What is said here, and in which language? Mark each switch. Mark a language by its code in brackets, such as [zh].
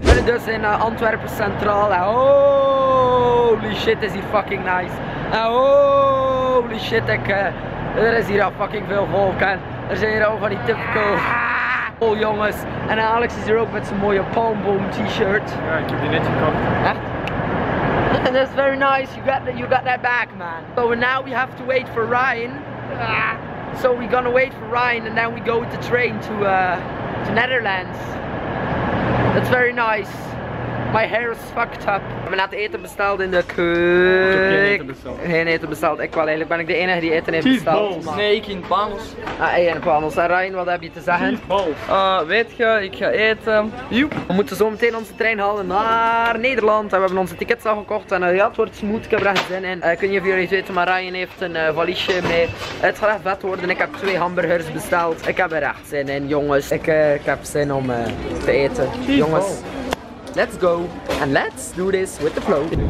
[nl] We zijn dus in Antwerpen Centraal. [en] Oh, holy shit, [nl] is hier [en] fucking nice. Oh, holy shit, [nl] er is hier al fucking veel volk. En er zijn hier al van die typical. Oh jongens, en Alex is hier ook met zijn mooie palmboom t-shirt. Ja, ik heb die net gekocht. Echt? [en] And that's very nice, you got that back, man. So now we have to wait for Ryan. So we're gonna wait for Ryan and then we go with the train to Netherlands. That's very nice. My hair is fucked up. [nl] We hebben net eten besteld in de keuken. Geen eten besteld. Ik wel eigenlijk. Ben ik de enige die eten heeft besteld? Cheeseballs. Nee, ik in panels. Ah, ik in panels. En Ryan, wat heb je te zeggen? Cheeseballs. Weet je, ik ga eten. Joep. We moeten zo meteen onze trein halen naar Nederland. En we hebben onze tickets al gekocht. En ja, het wordt smooth. Ik heb er echt zin in. Ik weet niet of jullie het weten, maar Ryan heeft een valiesje mee. Het gaat echt vet worden. Ik heb 2 hamburgers besteld. Ik heb er echt zin in, jongens. Ik heb zin om te eten. Jongens. [en] Let's go and let's do this with the flow.